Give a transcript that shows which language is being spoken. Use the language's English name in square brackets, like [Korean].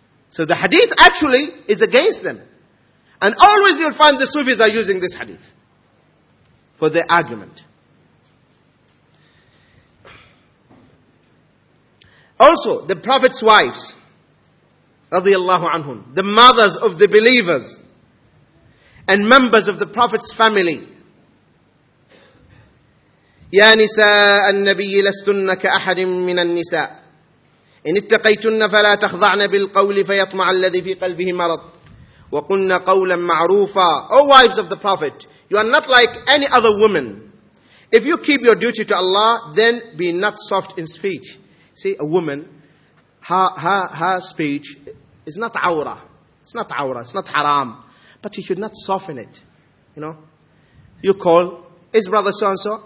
[English] So the hadith actually is against them. And always you'll find the Sufis are using this hadith for their argument. Also, the Prophet's wives, radiallahu anhum, the mothers of the believers, and members of the Prophet's family. [Arabic] يا نساء النبي لستن كأحد من النساء إن اتقيتن فلا تخضعن بالقول فيطمع الذي في قلبه مرض وقلن قولا معروفا. [English] O wives of the Prophet, you are not like any other woman. If you keep your duty to Allah, then be not soft in speech. See, a woman, her speech is not awra. It's not awra, it's not haram. But he should not soften it. You know, you call, is brother so and so?